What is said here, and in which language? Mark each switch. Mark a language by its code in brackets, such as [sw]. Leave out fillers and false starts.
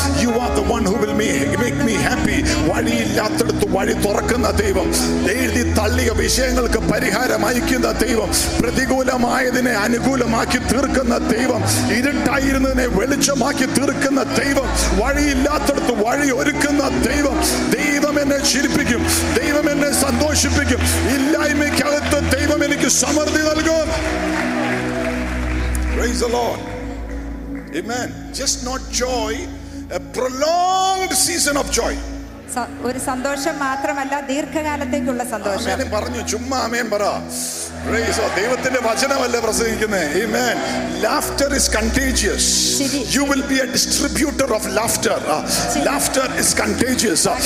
[en] You are the one who will make me happy. [ml] വഴിയില്ലാത്തടത്ത് വഴി തുറക്കുന്ന ദൈവം, എഴുതി തള്ളിയ വിഷയങ്ങൾക്ക് പരിഹാരം അയക്കുന്ന ദൈവം, പ്രതികൂലമായതിനെ അനുകൂലമാക്കി തീർക്കുന്ന ദൈവം, ഇരുട്ടായിരുന്നതിനെ വെളിച്ചമാക്കി തീർക്കുന്ന ദൈവം, വഴിയില്ലാത്തടത്ത് വഴി ഒരുക്കുന്ന ദൈവം. ദൈവം എന്നെ ചിരിപ്പിക്കും, ദൈവം എന്നെ സന്തോഷിപ്പിക്കും. ഇല്ലായ്മയ്ക്കകത്ത് ദൈവം എനിക്ക് സമൃദ്ധി നൽകും. [en] Praise the Lord. Amen. Just not joy, a prolonged season of joy. [ml] ഒരു സന്തോഷം മാത്രമല്ല, ദീർഘകാലത്തേക്കുള്ള സന്തോഷം. പറഞ്ഞു ചുമ്മാ ആമേൻ പറ. [en] Praise God. [ml] ദൈവത്തിന്റെ വചനമല്ലേ പ്രസംഗിക്കുന്നത്? [en] Amen. Laughter is contagious. You will be a distributor of laughter. Laughter is contagious.